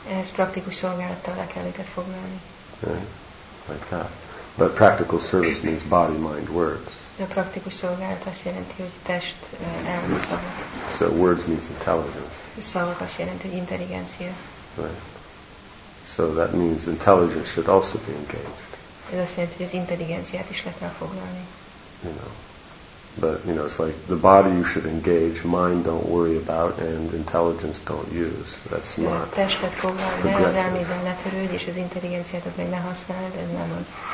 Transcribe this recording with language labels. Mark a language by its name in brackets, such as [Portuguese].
[Hungarian] Ez praktikus szolgálattal le kell őket foglalni. [English] Yeah, like that. But practical service means body, mind, words. [Hungarian] A praktikus szolgálat azt jelenti, hogy test, elme, szavak. [English] So words means intelligence. [Hungarian] A szavak azt jelenti, hogy intelligencia. [English] Right. So that means intelligence should also be engaged. [Hungarian] Ez azt jelenti, hogy az intelligenciát is le kell foglalni. [English] You know. But, you know, it's like the body you should engage, mind don't worry about, and intelligence don't use. That's not [Hungarian] testet foglalni, de az elmével letörődj, és az intelligenciát meg ne használd, ez nem az.